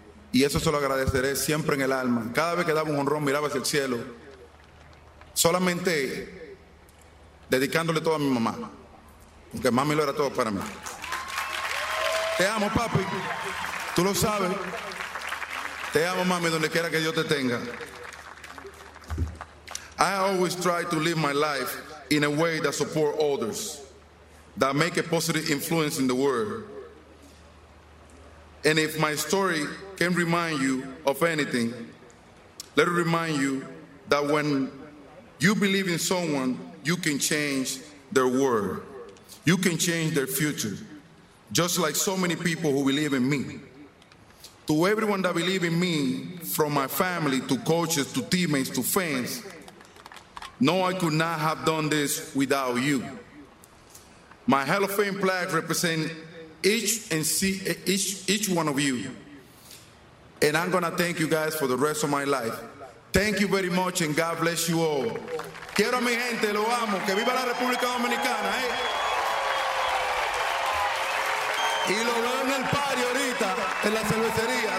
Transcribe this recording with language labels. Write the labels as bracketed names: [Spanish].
[Spanish] Y eso se lo agradeceré siempre en el alma. Cada vez que daba un honrón, miraba hacia el cielo, solamente dedicándole todo a mi mamá, porque mami lo era todo para mí. Te amo, papi. Tú lo sabes. Te amo, mami, donde quiera que Dios te tenga. [English] I always try to live my life in a way that supports others, that make a positive influence in the world. And if my story can remind you of anything, let it remind you that when you believe in someone, you can change their world. You can change their future, just like so many people who believe in me. To everyone that believe in me, from my family, to coaches, to teammates, to fans, no, I could not have done this without you. My Hall of Fame plaque represents each one of you. And I'm gonna thank you guys for the rest of my life. Thank you very much, and God bless you all. [Spanish] Quiero a mi gente, lo amo. Que viva la República Dominicana, eh. Y lo veo en el party ahorita, en la cervecería.